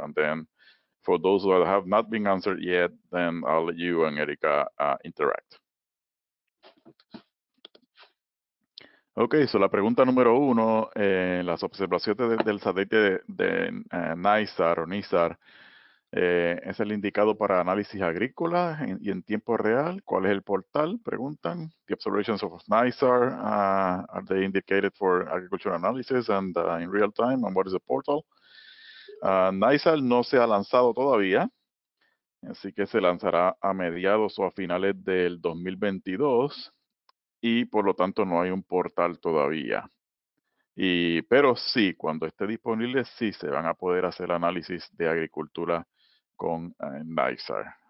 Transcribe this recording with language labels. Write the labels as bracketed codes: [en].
[en] And then for those that have not been answered yet, then I'll let you and Erika interact. [es] Okay, so la pregunta número uno, las observaciones del satélite de NISAR o NISAR, ¿es el indicado para análisis agrícola y en tiempo real? ¿Cuál es el portal? Preguntan. [en] The observations of NISAR, are they indicated for agricultural analysis and in real time? And what is the portal? [es] NISAR no se ha lanzado todavía, así que se lanzará a mediados o a finales del 2022. Y por lo tanto no hay un portal todavía. Pero sí, cuando esté disponible, sí se van a poder hacer análisis de agricultura con NISAR.